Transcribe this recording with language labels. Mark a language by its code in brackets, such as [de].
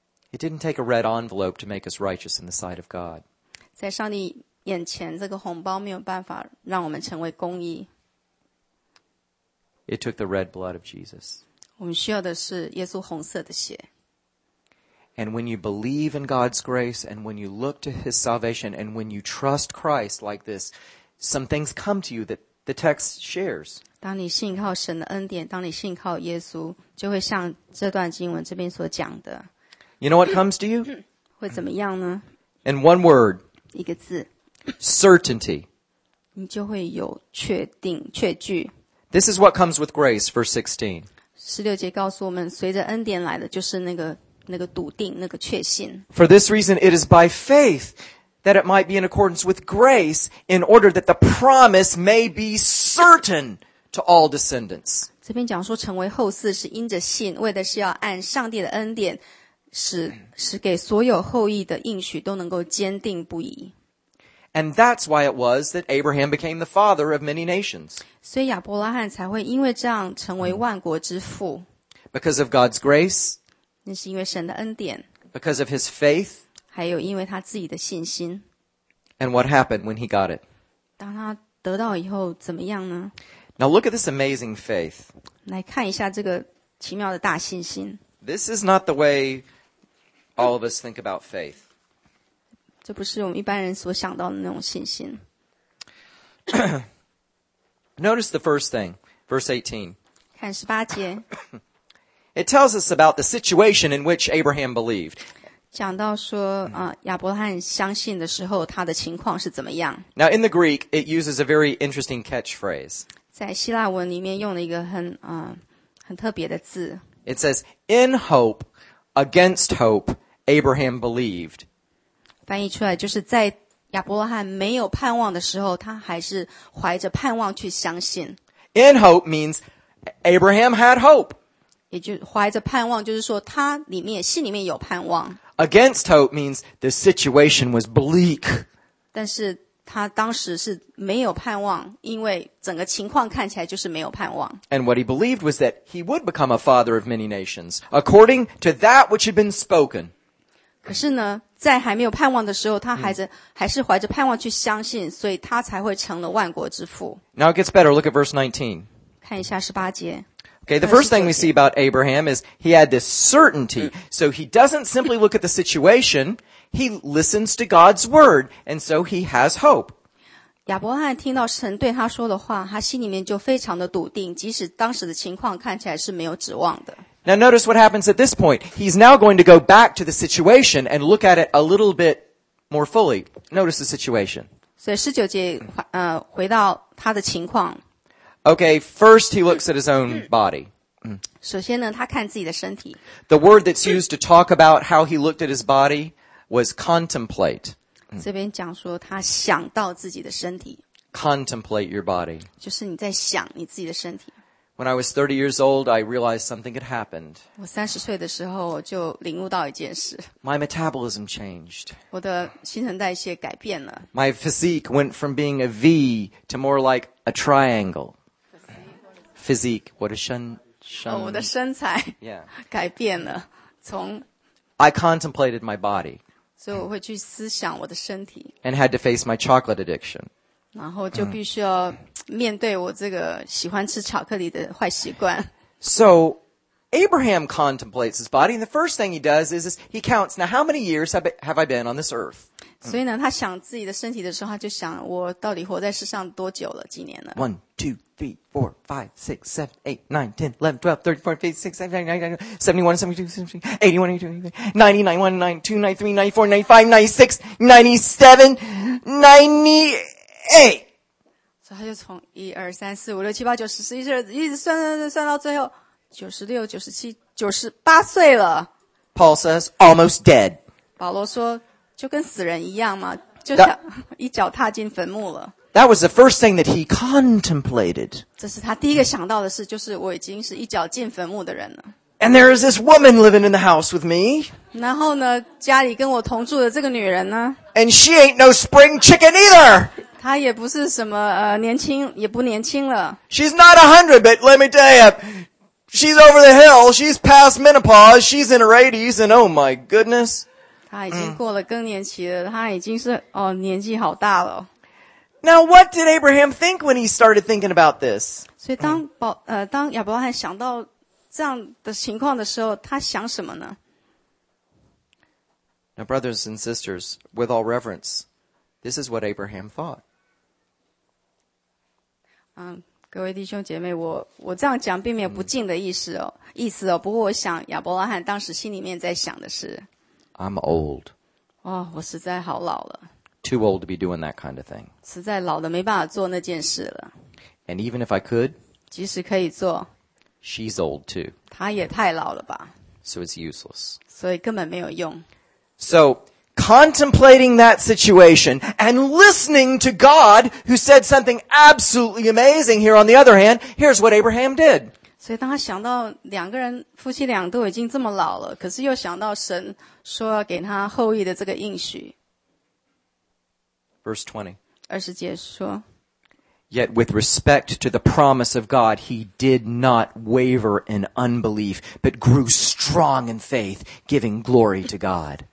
[en] It didn't take a red envelope to make us righteous in the sight of God. [zh] 在上帝眼前这个红包没有办法让我们成为公义。 [en] It took the red blood of Jesus. [zh] 我们需要的是耶稣红色的血。 [en] And when you believe in God's grace, and when you look to His salvation, and when you trust Christ like this, some things come to you that the text shares. [zh] 当你信靠神的恩典，当你信靠耶稣，就会像这段经文这边所讲的。 [en] You know what comes to you? [zh] 会怎么样呢？ [en] In one word. [zh] 一个字。 [en] Certainty. [zh] 你就会有确定确据。 [en] This is what comes with grace, verse 16. [zh] 16节告诉我们，随着恩典来的就是那个笃定，那个确信。 [en] For this reason, it is by faith that it might be in accordance with grace, in order that the promise may be certain to all descendants. [zh] 这边讲说成为后嗣是因着信，为的是要按上帝的恩典，使给所有后裔的应许都能够坚定不移。 [en] And that's why it was that Abraham became the father of many nations. [zh] 所以亚伯拉罕才会因为这样成为万国之父。 [en] Because of God's grace. [zh] 那是因为神的恩典。 [en] Because of his faith. [zh] 还有因为他自己的信心。 [en] And what happened when he got it? [zh] 当他得到以后怎么样呢? [en] Now look at this amazing faith. [zh] 来看一下这个奇妙的大信心。 [en] This is not the way all of us think about faith. [zh] 这不是我们一般人所想到的那种信心。 [en] Notice the first thing, verse 18. [zh] 看十八节。 [en] It tells us about the situation in which Abraham believed. [zh] 讲到说亚伯拉罕相信的时候他的情况是怎么样。 [en] Now in the Greek, it uses a very interesting catchphrase. [zh] 在希腊文里面用了一个很特别的字。 [en] It says, in hope, against hope, Abraham believed. [zh] 翻译出来就是在亚伯拉罕没有盼望的时候，他还是怀着盼望去相信。 [en] In hope means Abraham had hope. [zh] 也就怀着盼望，就是说他里面心里面有盼望。 [en] Against hope means the situation was bleak. [zh] 但是他当时是没有盼望，因为整个情况看起来就是没有盼望。 [en] And what he believed was that he would become a father of many nations, according to that which had been spoken. [zh] 可是呢？在还没有盼望的时候，他还是怀着盼望去相信，所以他才会成了万国之父。 [en] Now it gets better. Look at verse 19. [zh] 看一下18节。 [en] Okay, the first thing we see about Abraham is he had this certainty. So he doesn't simply look at the situation. He listens to God's word, and so he has hope. [zh] 亚伯翰听到神对他说的话，他心里面就非常的笃定，即使当时的情况看起来是没有指望的。 [en] Now notice what happens at this point. He's now going to go back to the situation and look at it a little bit more fully. Notice the situation. [zh] 所以十九节，回到他的情况。 [en] Okay, first he looks at his own body. [zh] 首先呢，他看自己的身体。 [en] The word that's used to talk about how he looked at his body was contemplate. [zh] 这边讲说他想到自己的身体。 [en] Contemplate your body. [zh] 就是你在想你自己的身体。 [en] When I was 30 years old, I realized something had happened. [zh] 我30岁的时候就领悟到一件事。 [en] My metabolism changed. [zh] 我的新陈代谢改变了。 [en] My physique went from being a V to more like a triangle. Physique, what a shun. [zh] 我的身材改变了。从 [en] I contemplated my body. [zh] 所以我会去思想我的身体。 [en] And had to face my chocolate addiction. [zh] 然后就必须要面对我这个喜欢吃巧克力的坏习惯。 [en] So, Abraham contemplates his body, and the first thing he does is he counts, now how many years have I been on this earth? [zh] 所以呢，他想自己的身体的时候，他就想我到底活在世上多久了，几年了。 [en] One, two, three, four, five, six, seven, eight, nine, ten, 11, 12, 13, 14, 15, 16, 17, 18, 19, 20, 71, 72, 73, 81, 82, 83, 90, 91, 92, 93, 94, 95, 96, 97, 98. [zh] 他就从一二三四五六七八九十十一十二一直算到最后九十六九十七九十八岁了。 [en] Paul says almost dead. [zh] 保罗说就跟死人一样嘛，就像一脚踏进坟墓了。 [en] That was the first thing that he contemplated. [zh] 这是他第一个想到的事，就是我已经是一脚进坟墓的人了。 [en] And there is this woman living in the house with me. [zh] 然后呢，家里跟我同住的这个女人呢 [en] ？And she ain't no spring chicken either. [zh] 她也不是什么年轻，也不年轻了。 [en] She's not 100, but let me tell you, she's over the hill. She's past menopause. She's in her 80s, and oh my goodness. [zh] 她已经过了更年期了。她已经是年纪好大了。 [en] Now, what did Abraham think when he started thinking about this? [zh] 所以当亚伯拉罕想到这样的情况的时候，他想什么呢？ [en] Now, brothers and sisters, with all reverence, this is what Abraham thought. [zh] 各位弟兄姐妹，我这样讲并没有不敬的意思哦。不过我想亚伯拉罕当时心里面在想的是 [en] ，I'm old. [zh] 哦，我实在好老了。 [en] Too old to be doing that kind of thing. [zh] 实在老了，没办法做那件事了。 [en] And even if I could, [zh] 即使可以做 [en] ，She's old too. [zh] 她也太老了吧。 [en] So it's useless. [zh] 所以根本没有用。 [en] So. Contemplating that situation and listening to God who said something absolutely amazing here on the other hand, here's what Abraham did. [zh] 所以当他想到两个人夫妻俩都已经这么老了，可是又想到神说要给他后裔的这个应许。 [en] Verse 20. [zh] 二十节说。 [en] Yet with respect to the promise of God, he did not waver in unbelief, but grew strong in faith, giving glory to God.